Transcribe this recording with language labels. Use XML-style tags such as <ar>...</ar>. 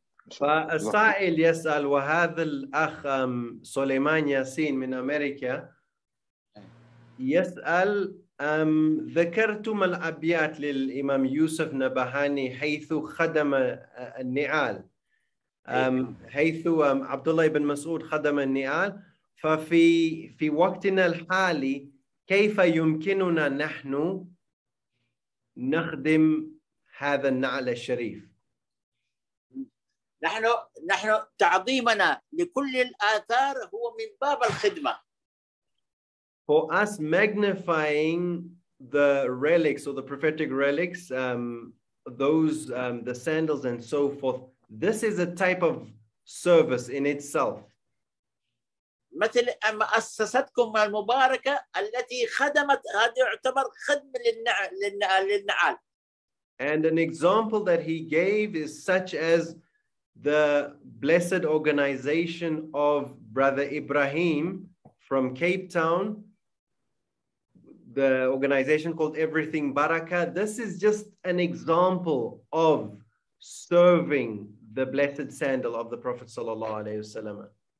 <ar>السائل يسأل وهذا الأخ سليمان ياسين من أمريكا يسأل ذكرتم الأبيات للإمام يوسف نبهاني حيث خدم النعال حيث عبد الله بن مسعود خدم النعال ففي وقتنا الحالي كيف يمكننا نحن نخدم هذا النعل الشريف نحن تعظيمنا لكل الآثار هو من باب الخدمة.</ar> <en>For us, magnifying the relics or the prophetic relics, the sandals and so forth, this is a type of service in itself.</en> <ar>مثل أسستكم المباركة التي خدمت هذا يعتبر خدمة للنعال.</ar> <en>And an example that he gave is such as the blessed organization of Brother Ibrahim from Cape Town. The organization called Everything Baraka. This is just an example of serving the blessed sandal of the Prophet sallallahu alaihi wasallam.</en>